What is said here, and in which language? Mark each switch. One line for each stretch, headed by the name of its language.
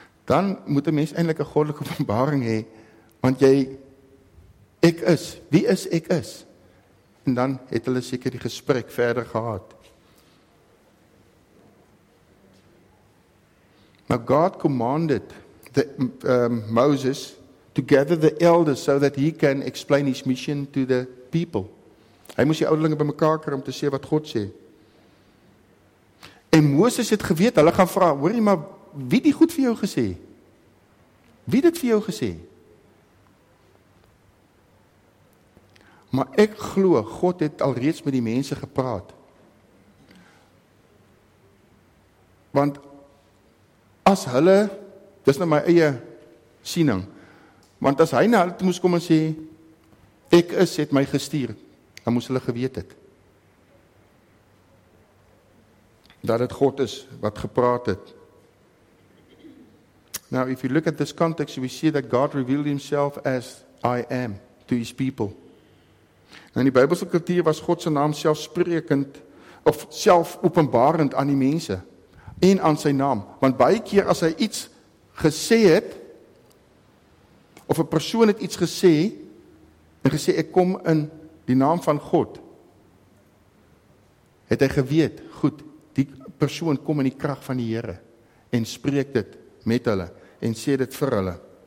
Afrikaans: Dan moet een mens eindelijk een goddelike openbaring hê, want jy, ek is, wie is ek is? En dan het hulle seker die gesprek verder gehad.
English: Now God commanded Moses to gather the elders so that he can explain his mission to the people.
Afrikaans: Hy moes die ouderlinge by mekaar kry om te sê wat God sê. En Moses het geweet, hulle gaan vra, hoor jy maar, wie die goed vir jou gesê? Wie dit vir jou gesê? Maar ek glo, God het alreeds met die mense gepraat. Want as hulle Dis nou my eie siening. Want as hy na hulle moes kom en sê, ek is, het my gestuur, dan moes hulle geweet het. Dat het God is, wat gepraat het.
English: Now, if you look at this context, we see that God revealed himself as I am to his people.
Afrikaans: In die Bybelse kultuur was God sy naam selfsprekend, of selfopenbarend aan die mense, en aan sy naam. Want baie keer as hy iets gesê het, of 'n persoon het iets gesê, en gesê, ek kom in die naam van God, het hy geweet, goed, die persoon kom in die krag van die Here en spreek dit met hulle, en sê dit vir hulle.